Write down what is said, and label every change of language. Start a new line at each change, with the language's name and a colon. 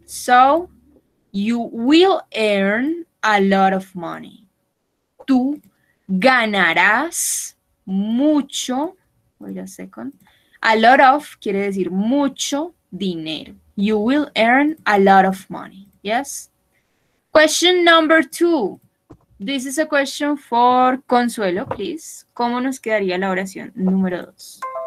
English: So, you will earn a lot of money.
Spanish: Tú ganarás mucho,
English: wait a second,
Spanish: a lot of quiere decir mucho dinero.
English: You will earn a lot of money, yes? Question number two. This is a question for Consuelo, please.
Spanish: ¿Cómo nos quedaría la oración número dos?